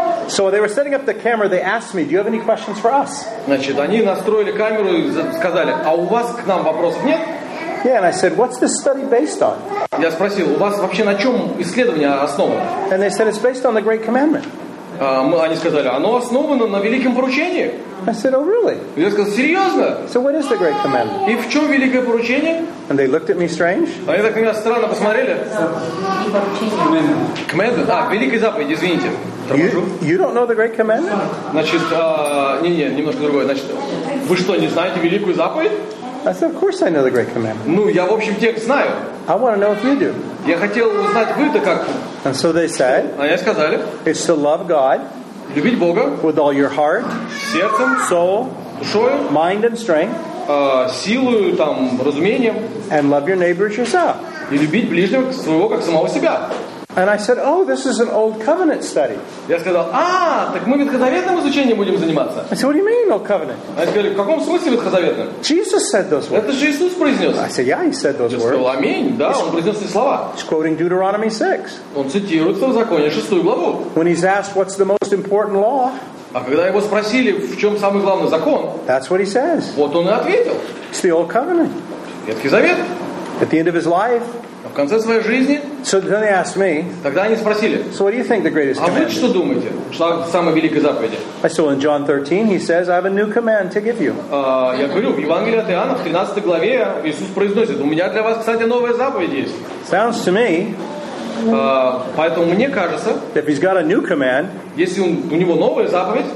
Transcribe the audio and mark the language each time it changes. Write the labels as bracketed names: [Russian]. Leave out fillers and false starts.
[English] So they were setting up the camera. They asked me, "Do you have any questions for us?" [Russian] Значит, они настроили камеру и сказали, а у вас к нам вопросов нет? [English] Yeah, and I said, "What's this study based on?" [Russian] Я спросил, у вас вообще на чем исследование основано? [English] And they said, "It's based on the Great Commandment." [Russian] Они сказали, оно основано на великом поручении. [English] I said, "Oh, really?" [Russian] Я сказал, серьезно? [English] So what is the great commandment? [Russian] И в чем великое поручение? [English] And they looked at me strange. [Russian] Они так на меня странно посмотрели. [English] Commandment. [Russian] А, великий заповедь, извините. [English] You don't know the great commandment? [Russian] Значит, не, немножко другое. Значит, вы что, не знаете великую заповедь? [English] I said, of course I know the great commandment. [Russian] Ну, я в общем текст знаю. [English] I want to know if you do. [Russian] Я хотел узнать, вы-то как? [English] And so they said, [Russian] они сказали, [English] it's to love God [Russian] любить Бога [English] with all your heart, [Russian] сердцем, [English] soul, [Russian] душою, [English] mind and strength, [Russian] силою, там, разумением, [English] and love your neighbor as yourself. [Russian] И любить ближнего своего, как самого себя. [English] And I said, "Oh, this is an old covenant study." [Russian] Я сказал, а, так мы ветхозаветным изучением будем заниматься. [English] I said, "What do you mean, old covenant?" [Russian] Они сказали, в каком смысле ветхозаветным? [English] Jesus said those words. [Russian] Это же Иисус произнес. [English] I said, "Yeah, he said those [Russian] Я [English] words." [Russian] Сказал, аминь, да, он произнес эти слова. [English] He's quoting Deuteronomy 6. [Russian] Он цитирует в законе шестую главу. [English] When he's asked, "What's the most important law?" [Russian] А когда его спросили, в чем самый главный закон? [English] That's what he says. [Russian] Вот он и ответил. [English] It's the old covenant. [Russian] Ветхий завет. [English] At the end of his life. [Russian] В конце своей жизни. [English] So then they asked me. [Russian] Тогда они спросили. [English] So what do you think the greatest command? [Russian] А вы что думаете? Что самая великая заповедь? [English] I saw in John 13, he says, "I have a new command to give you." [Russian] Я говорю, в Евангелии от Иоанна, в 13 главе, Иисус произносит: "У меня для вас, кстати, новая заповедь есть." [English] Sounds to me. [Russian] Поэтому мне кажется. [English] If he's got a new command, [Russian] если у него новая заповедь,